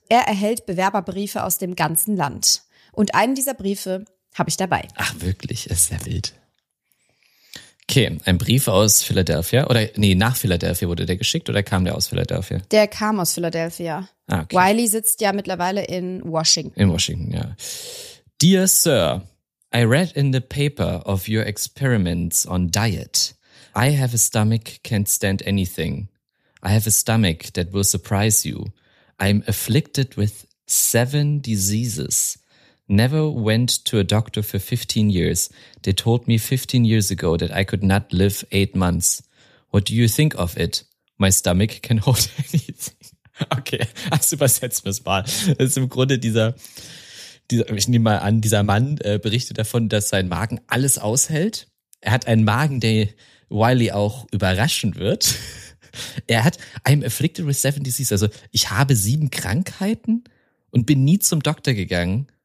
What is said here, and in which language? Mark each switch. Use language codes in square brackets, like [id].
[de] Er erhält Bewerberbriefe aus dem ganzen Land. Und einen dieser Briefe habe ich dabei. Ach wirklich, ist sehr wild. Okay, ein Brief aus Philadelphia oder nee, nach Philadelphia wurde der geschickt oder kam der aus Philadelphia? Der kam aus Philadelphia. Ah, okay. Wiley sitzt ja mittlerweile in Washington. In Washington, ja. [en] Dear Sir, I read in the paper of your experiments on diet. I have a stomach, can't stand anything. I have a stomach that will surprise you. I'm afflicted with 7 diseases. Never went to a doctor for 15 years. They told me 15 years ago that I could not live 8 months. What do you think of it? My stomach can hold anything. [de] Okay, also übersetzen wir es mal. Das ist im Grunde dieser ich nehme mal an, dieser Mann berichtet davon, dass sein Magen alles aushält. Er hat einen Magen, der Wiley auch überraschen wird. Er hat, [en] I'm afflicted with 7 diseases. [de] Also ich habe 7 Krankheiten und bin nie zum Doktor gegangen.